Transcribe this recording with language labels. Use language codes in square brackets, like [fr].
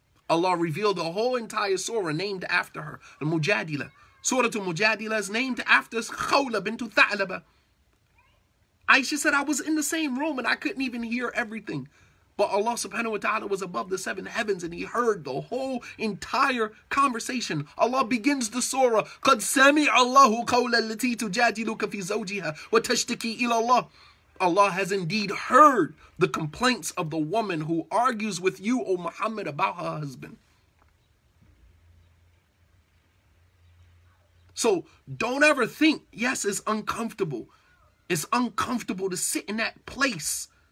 [en] Allah revealed the whole entire surah named after her, Al-Mujadila. Surah Al-Mujadila is named after Khawla bint Tha'laba. Aisha said, I was in the same room and I couldn't even hear everything. But Allah subhanahu wa ta'ala was above the seven heavens and he heard the whole entire conversation. Allah begins the surah, [ar] قَدْ سَمِعَ اللَّهُ قَوْلَ الَّتِي تُجَادِلُكَ فِي زَوْجِهَا وَتَشْتَكِي إِلَى اللَّهِ. [en] Allah has indeed heard the complaints of the woman who argues with you, O Muhammad, about her husband. So don't ever think, yes, it's uncomfortable. It's uncomfortable to sit in that place.